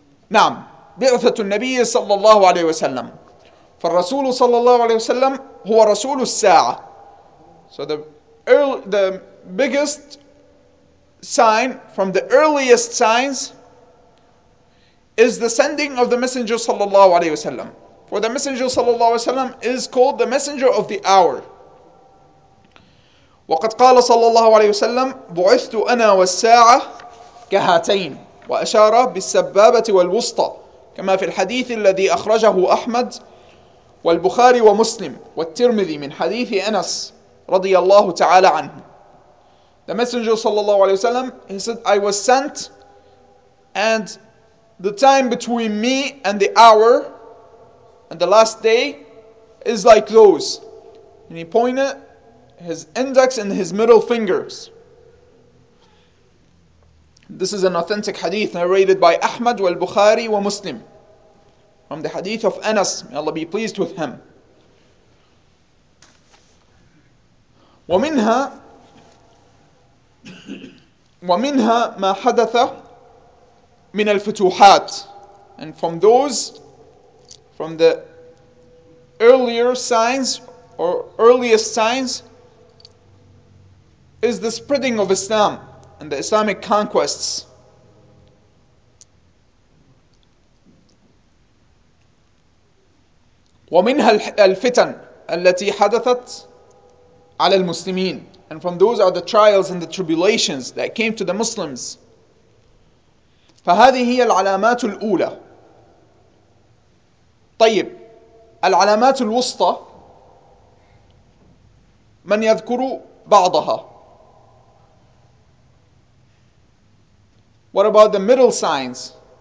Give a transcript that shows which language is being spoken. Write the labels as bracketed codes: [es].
[ar] نعم بعثة النبي صلى الله عليه وسلم. فالرسول صلى الله عليه وسلم هو رسول الساعة. [en] So the biggest sign from the earliest signs is the sending of the messenger صلى الله عليه وسلم. For the messenger صلى الله عليه وسلم is called the messenger of the hour. [ar] وقد قال صلى الله عليه وسلم بعثت أنا والساعة كهاتين وأشار بالسبابة والوسطى كما في الحديث الذي أخرجه أحمد والبخاري ومسلم والترمذي من حديث أنس رضي الله تعالى عنه. [en] The messenger صلى الله عليه وسلم he said I was sent and the time between me and the hour and the last day is like those. And he pointed his index and his middle fingers. This is an authentic hadith narrated by Ahmad wal Bukhari wa Muslim from the hadith of Anas, may Allah be pleased with him. [ar] ومنها ما حدث من الفتوحات. [en] And from those, from the earlier signs or earliest signs is the spreading of Islam and the Islamic conquests. [ar] ومنها الفتن التي حدثت على المسلمين. [en] And from those are the trials and the tribulations that came to the Muslims. [ar] فهذه هي العلامات الأولى. طيب العلامات الوسطى من يذكر بعضها؟ [en] What about the middle signs?